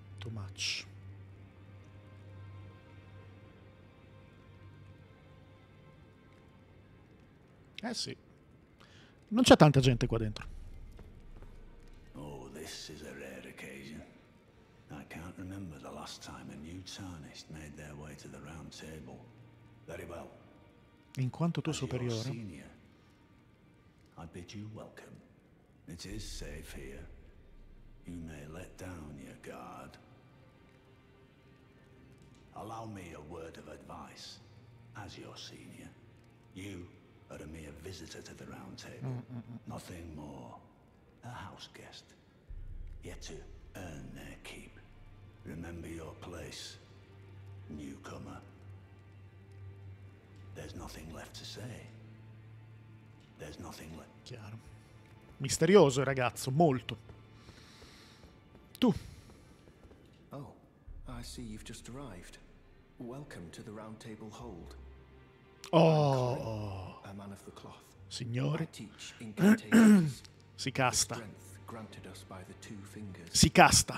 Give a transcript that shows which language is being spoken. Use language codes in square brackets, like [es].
[en] Much. [it] Eh sì. Non c'è tanta gente qua dentro. [en] Oh, this is a rare occasion. I can't remember the last time a new tarnished made their way to the round table. Very well. [it] In quanto tuo superiore, [en] senior, I bid you welcome. It is safe here. You may let down your guard. Allow me a word of advice. As your senior, you are a mere visitor to the round table. Nothing more. A house guest. Yet to earn their keep. Remember your place, newcomer. There's nothing left to say. There's nothing left. [it] Chiaro. Misterioso il ragazzo, molto. Tu. [en] Oh, I see you've just arrived. Welcome to the Round Table Hold. Oh, a man of the cloth. [it] Signore. [en] I teach incantations. Si casta. The strength granted us by the two fingers. Si casta.